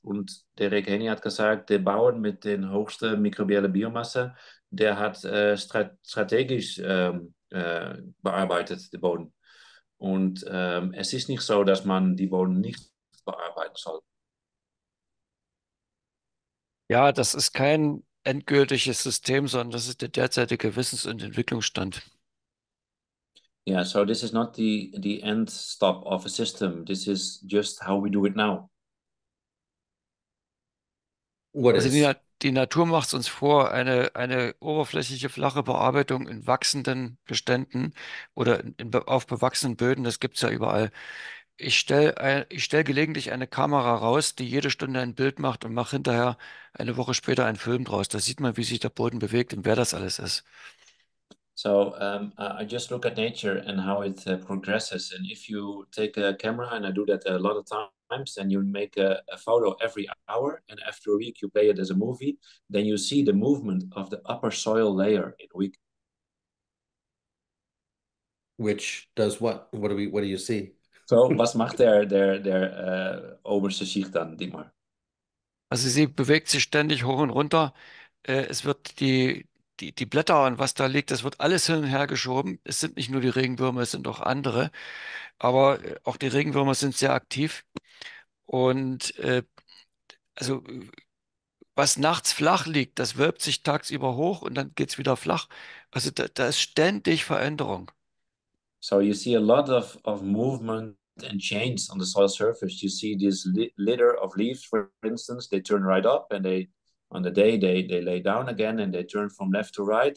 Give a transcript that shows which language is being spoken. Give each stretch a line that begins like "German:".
German: Und der Rick Haney hat gesagt, der Bauern mit den höchsten mikrobiellen Biomasse, der hat strategisch bearbeitet, die Boden. Und es ist nicht so, dass man die Boden nicht bearbeiten soll. Ja, das ist kein endgültiges System, sondern das ist der derzeitige Wissens- und Entwicklungsstand.
English: Yeah, so this is not the end stop of a system. This is just how we do it now. What also is?
German: Die Natur macht es uns vor, eine oberflächliche, flache Bearbeitung in wachsenden Beständen oder auf bewachsenen Böden, das gibt es ja überall. Ich stell gelegentlich eine Kamera raus, die jede Stunde ein Bild macht und mache hinterher eine Woche später einen Film draus. Da sieht man, wie sich der Boden bewegt und wer das alles ist.
English: So I just look at nature and how it progresses. And if you take a camera, and I do that a lot of times, and you make a photo every hour, and after a week you play it as a movie, then you see the movement of the upper soil layer in a week. Which does what? What do you see?
German: So was macht der oberste Schicht dann, Dietmar? Also sie bewegt sich ständig hoch und runter. Es wird die Blätter und was da liegt, das wird alles hin und her geschoben. Es sind nicht nur die Regenwürmer, es sind auch andere. Aber auch die Regenwürmer sind sehr aktiv. Und also was nachts flach liegt, das wölbt sich tagsüber hoch und dann geht es wieder flach. Also da ist ständig Veränderung.
English: So you see a lot of movement and change on the soil surface. You see this litter of leaves, for instance, they turn right up and they on the day they lay down again and they turn from left to right.